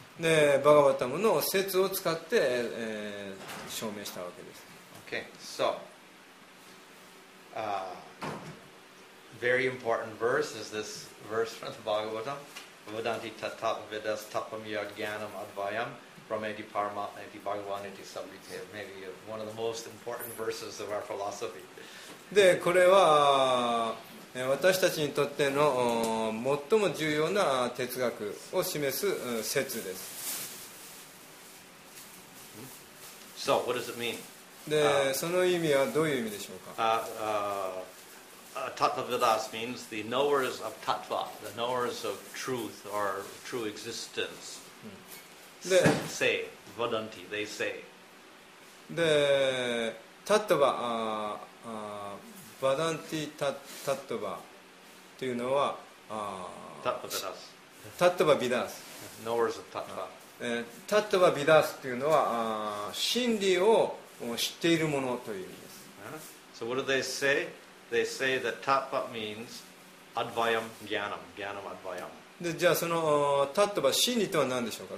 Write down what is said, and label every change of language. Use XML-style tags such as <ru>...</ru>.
<ja>でバガバタムの説を使って証明したわけです。</ja> <en>Okay, so, very important verse is this verse from the Bhagavatam.</en> <sa>Vedanti tatap vidas tapam yajnanam advayam prameti paramatmeti bhagavaneti sabrite.</sa> <en>Maybe one of the most important verses of our philosophy.</en> <ja>で、これは私たちにとっての最も重要な哲学を示す説です。</ja> <en>So, what does it mean?</en> <ja>で、その意味はどういう意味でしょうか？</ja> <en>Tattva Vedas means the knowers of tattva, the knowers of truth or true existence. で、say, vadanti, they say.</en> <ja>で、tattva、バダンティタタットバというのはタットバビダス。タットバビダス。</ja> <en>Knowers of Tattva。</en> <ja>タットバビダスというのは真理を知っているものという意味です。</ja> <en>So what do they say? They say that Tattva means Advayam Gyanam, Gyanam Advayam。</en> <ja>じゃあそのタットバ真理とは何でしょうか。</ja>